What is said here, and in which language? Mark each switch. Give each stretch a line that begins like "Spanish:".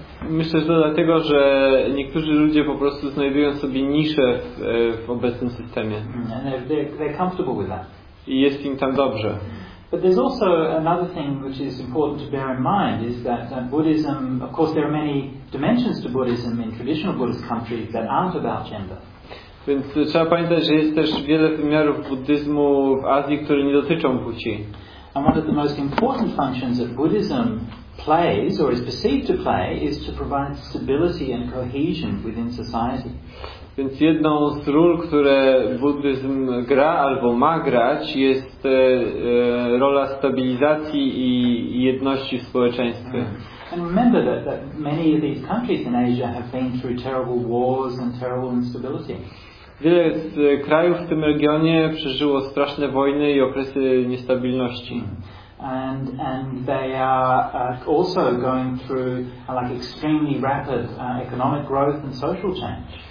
Polish: Myślę, że dlatego, że niektórzy ludzie po prostu znajdują sobie nisze w obecnym systemie.
English: And they're comfortable with that.
Polish: I jest im tam dobrze.
English: But there's also another thing which is important to bear in mind is that Buddhism, of course, there are many dimensions to Buddhism in traditional Buddhist countries that aren't about gender.
Polish: Więc trzeba pamiętać, że jest też wiele wymiarów buddyzmu w Azji, które nie dotyczą płci.
English: And one of the most important functions that Buddhism plays or is perceived to play is to provide stability and cohesion within society.
Polish: Więc jedną z ról, które buddyzm gra albo ma grać, jest rola stabilizacji i jedności w społeczeństwie.
English: And remember that, that many of these countries in Asia have been through terrible wars and terrible instability.
Polish: Wiele z krajów w tym regionie przeżyło straszne wojny i okresy niestabilności.
English: And they are also going through like extremely rapid economic growth and social change.